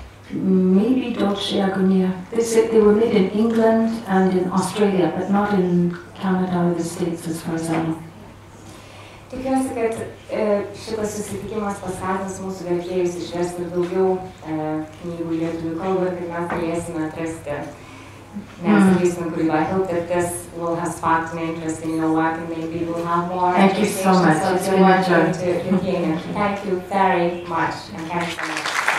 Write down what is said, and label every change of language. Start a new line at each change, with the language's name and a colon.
English: Maybe Dolce Agonia. They were made in England and in Australia, but not in Canada or the States, as far as I know.
Lithuanian: Tikiuosi, kad šitas susitikimas paskatins mūsų vertėjus išversti daugiau knygų lietuvių kalbą, kad mes galėsime atrasti, nes galėsime kūrybą.
English: I hope that this will have sparked an interest in your work and maybe we'll have more. Thank you so much. It's been a joy. Thank you very much. And thank you so much.